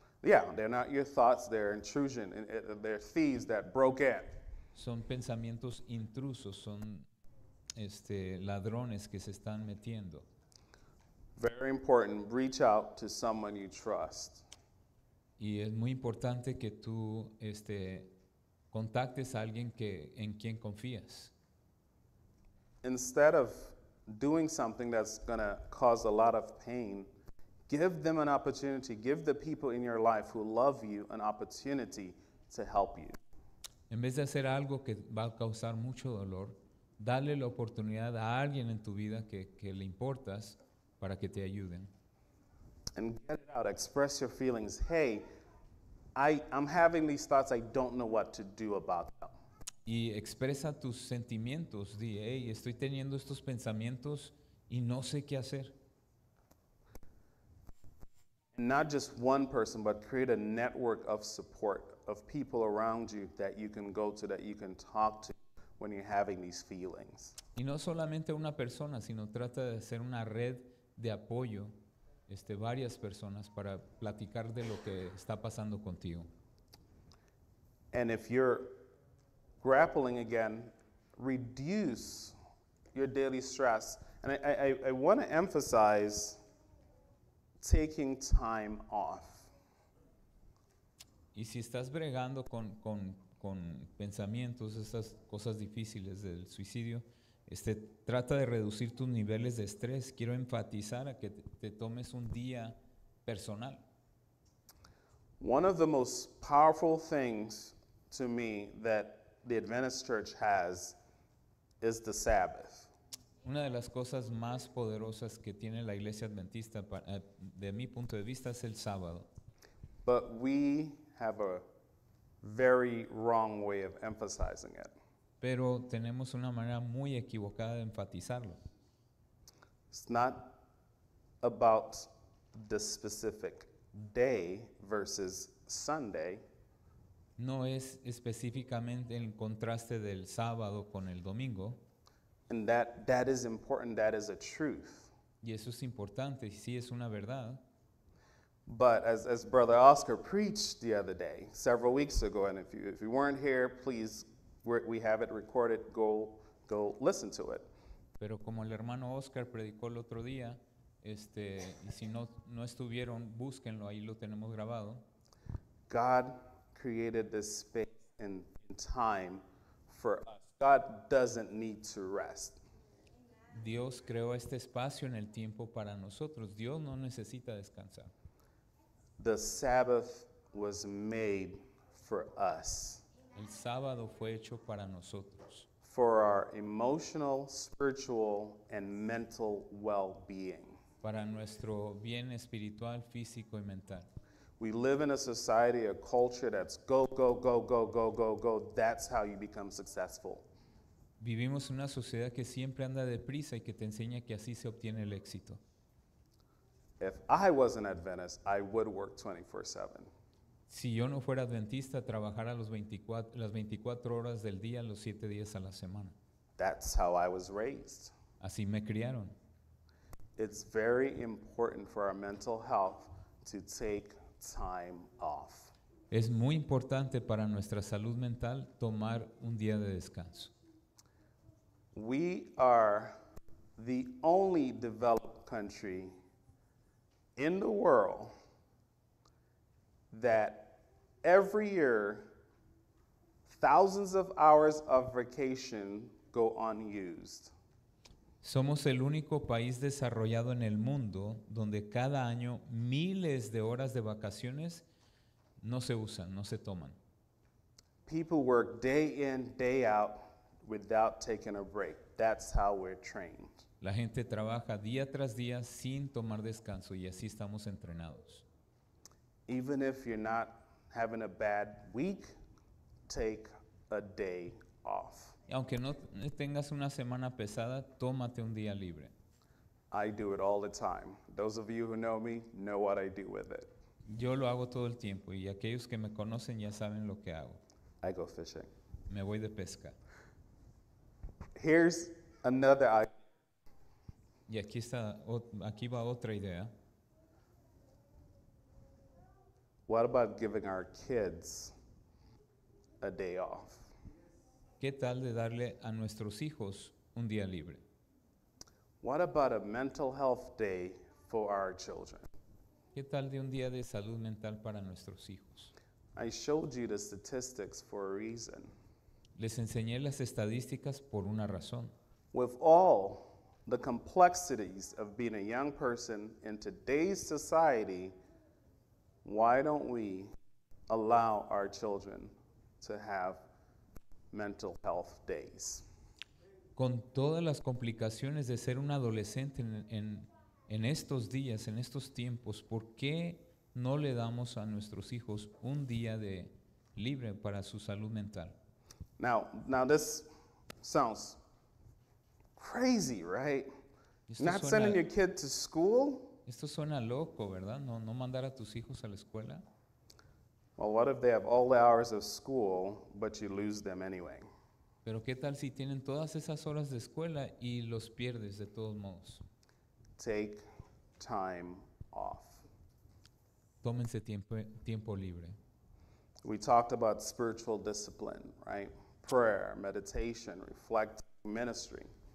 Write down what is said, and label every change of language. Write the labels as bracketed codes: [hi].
[en] Yeah, they're not your thoughts, they're intrusion, they're thieves that broke in. [es] Son pensamientos intrusos, son ladrones que se están metiendo. [en] Very important, reach out to someone you trust. [es] Y es muy importante que tú contactes a alguien en quien confías. [en] Instead of doing something that's going to cause a lot of pain, give them an opportunity, give the people in your life who love you an opportunity to help you. [es] En vez de hacer algo que va a causar mucho dolor, dale la oportunidad a alguien en tu vida que le importas para que te ayuden. [en] And get it out, express your feelings. Hey, I'm having these thoughts, I don't know what to do about them. [es] Y expresa tus sentimientos, di, hey, estoy teniendo estos pensamientos y no sé qué hacer. [en] And not just one person, but create a network of support of people around you that you can go to, that you can talk to when you're having these feelings. [es] Y no solamente una persona, sino trata de hacer una red de apoyo. Varias personas para platicar de lo que está pasando contigo. [en] And if you're grappling again, reduce your daily stress. And I want to emphasize taking time off. [es] Y si estás bregando con pensamientos, esas cosas difíciles del suicidio, trata de reducir tus niveles de estrés. Quiero enfatizar a que te tomes un día personal. [en] One of the most powerful things to me that the Adventist Church has is the Sabbath. [es] Una de las cosas más poderosas que tiene la Iglesia Adventista, de mi punto de vista, es el sábado. [en] But we have a very wrong way of emphasizing it. [es] Pero tenemos una manera muy equivocada de enfatizarlo. [en] It's not about the specific day versus Sunday. [es] No es específicamente el contraste del sábado con el domingo. [en] And that is important, that is a truth. [es] Y eso es importante, y sí es una verdad. [en] But as Brother Oscar preached the other day, several weeks ago, and if you weren't here, please, we have it recorded. Go listen to it. [es] Pero como el hermano Oscar predicó el otro día, y si no estuvieron, búsquenlo, ahí lo tenemos grabado. [en] God created this space and time for us. God doesn't need to rest. [es] Dios creó este espacio en el tiempo para nosotros. Dios no necesita descansar. [en] The Sabbath was made for us. [es] El sábado fue hecho para nosotros. [en] For our emotional, spiritual, and mental well-being. [es] Para nuestro bien espiritual, físico y mental. [en] We live in a society, a culture that's go, go, go, go, go, go, go. That's how you become successful. [es] Vivimos en una sociedad que siempre anda deprisa y que te enseña que así se obtiene el éxito. [en] If I was an Adventist, I would work 24/7. [es] Si yo no fuera adventista, trabajara las 24 horas del día, los 7 días a la semana. [en] That's how I was raised. [es] Así me criaron. [en] It's very important for our mental health to take time off. [es] Es muy importante para nuestra salud mental tomar un día de descanso. [en] We are the only developed country in the world that every year thousands of hours of vacation go unused. [es] Somos el único país desarrollado en el mundo donde cada año miles de horas de vacaciones no se usan, no se toman. [en] People work day in, day out without taking a break. That's how we're trained. [es] La gente trabaja día tras día sin tomar descanso y así estamos entrenados. [en] Even if you're not having a bad week, take a day off. [es] Aunque no tengas una semana pesada, tómate un día libre. [en] I do it all the time. Those of you who know me know what I do with it. [es] Yo lo hago todo el tiempo y aquellos que me conocen ya saben lo que hago. [en] I go fishing. [es] Me voy de pesca. [en] Here's another idea. [es] Y aquí va otra idea. [en] What about giving our kids a day off? [es] ¿Qué tal de darle a nuestros hijos un día libre? [en] What about a mental health day for our children? [es] ¿Qué tal de un día de salud mental para nuestros hijos? [en] I showed you the statistics for a reason. [es] Les enseñé las estadísticas por una razón. [en] With all the complexities of being a young person in today's society, why don't we allow our children to have mental health days? [es] Con todas las complicaciones de ser un adolescente en estos días, en estos tiempos, ¿por qué no le damos a nuestros hijos un día de libre para su salud mental? [en] Now this sounds crazy, right? Not sending your kid to school? [es] Esto suena loco, ¿verdad? No mandar a tus hijos a la escuela. [en] Well, what if they have all the hours of school, but you lose them anyway? [es] Pero ¿qué tal si tienen todas esas horas de escuela y los pierdes de todos modos? [en] Take time off. [es] Tómense tiempo libre. [en] We talked about spiritual discipline, right? Prayer, meditation, reflecting, ministry.